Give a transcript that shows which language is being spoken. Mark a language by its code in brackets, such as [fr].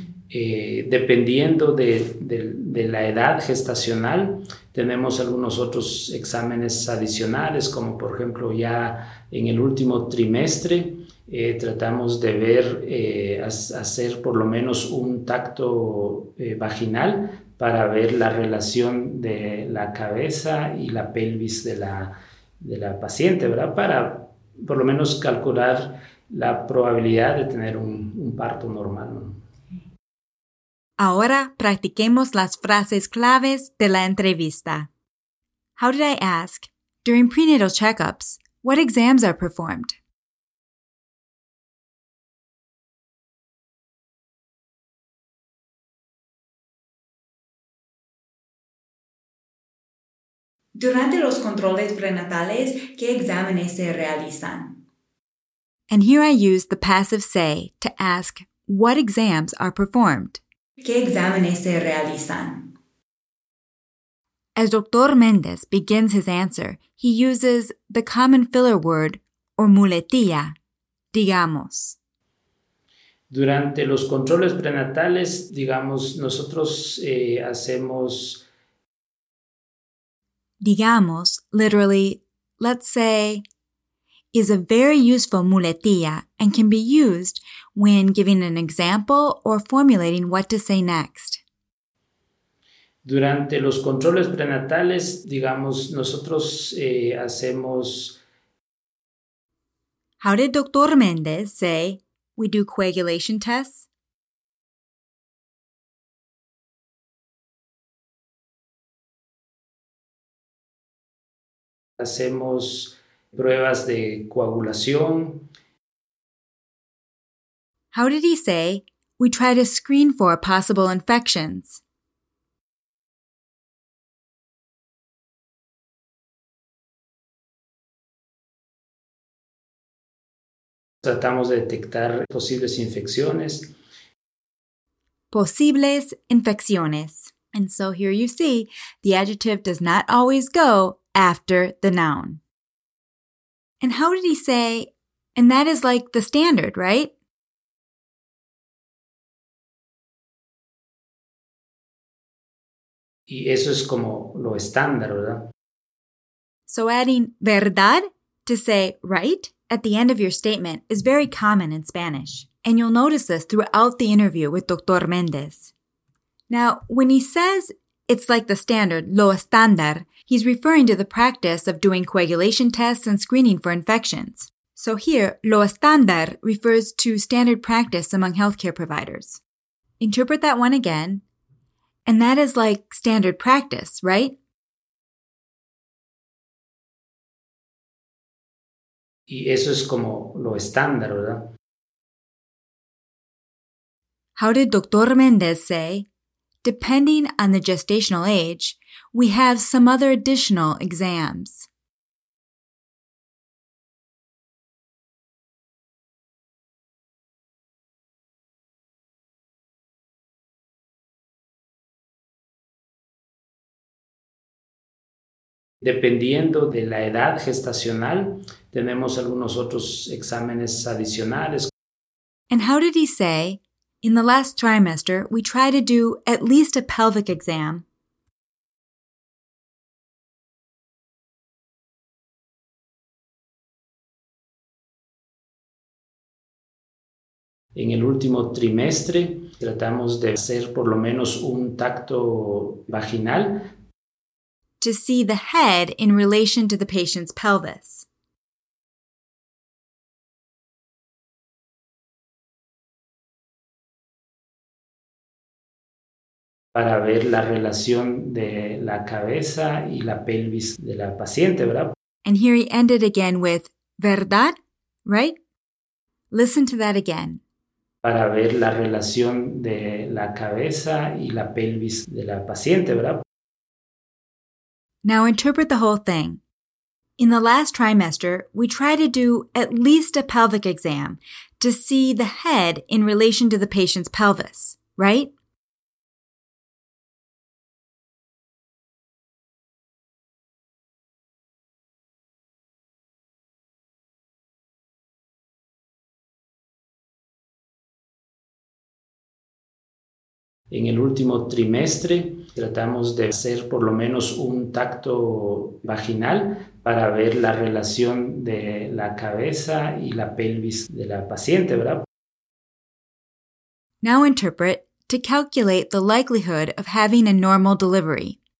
[es] Dependiendo de la edad gestacional, tenemos algunos otros exámenes adicionales, como por ejemplo ya en el último trimestre, tratamos de ver, hacer por lo menos un tacto vaginal para ver la relación de la cabeza y la pelvis de la paciente, ¿verdad? Para por lo menos calcular la probabilidad de tener un parto normal, ¿no? Ahora practiquemos las frases claves de la entrevista. [en] How did I ask? During prenatal checkups, what exams are performed? [es] Durante los controles prenatales, ¿qué exámenes se realizan? [en] And here I use the passive say to ask what exams are performed. [es] ¿Qué exámenes se realizan? [en] As Dr. Mendez begins his answer, he uses the common filler word or muletilla, digamos. [es] Durante los controles prenatales, digamos, nosotros hacemos [en] digamos, literally, let's say, is a very useful muletilla and can be used when giving an example or formulating what to say next. [es] Durante los controles prenatales, digamos, nosotros hacemos... [en] How did Dr. Mendez say, we do coagulation tests? [es] Hacemos pruebas de coagulación. [en] How did he say, we try to screen for possible infections? [es] Tratamos de detectar posibles infecciones. Posibles infecciones. [en] And so here you see, the adjective does not always go after the noun. And how did he say, and that is like the standard, right? [es] Y eso es como lo estándar, ¿verdad? [en] So adding verdad to say right at the end of your statement is very common in Spanish. And you'll notice this throughout the interview with Dr. Mendez. Now, when he says it's like the standard, [es] lo estándar, [en] he's referring to the practice of doing coagulation tests and screening for infections. So here, [es] lo estándar [en] refers to standard practice among healthcare providers. Interpret that one again. And that is like standard practice, right? [es] Y eso es como lo estándar, ¿verdad? [en] How did Dr. Mendez say? Depending on the gestational age, we have some other additional exams. [es] Dependiendo de la edad gestacional, tenemos algunos otros exámenes adicionales. [en] And how did he say? In the last trimester, we try to do at least a pelvic exam. [es] En el último trimestre, tratamos de hacer por lo menos un tacto vaginal. [en] To see the head in relation to the patient's pelvis. [es] Para ver la relación de la cabeza y la pelvis de la paciente, ¿verdad? [en] And here he ended again with, ¿verdad? Right? Listen to that again. [es] Para ver la relación de la cabeza y la pelvis de la paciente, ¿verdad? [en] Now interpret the whole thing. In the last trimester, we try to do at least a pelvic exam to see the head in relation to the patient's pelvis, right? [es] En el último trimestre, tratamos de hacer por lo menos un tacto vaginal para ver la relación de la cabeza y la pelvis de la paciente, ¿verdad? [en] Now interpret to calculate the likelihood of having a normal delivery.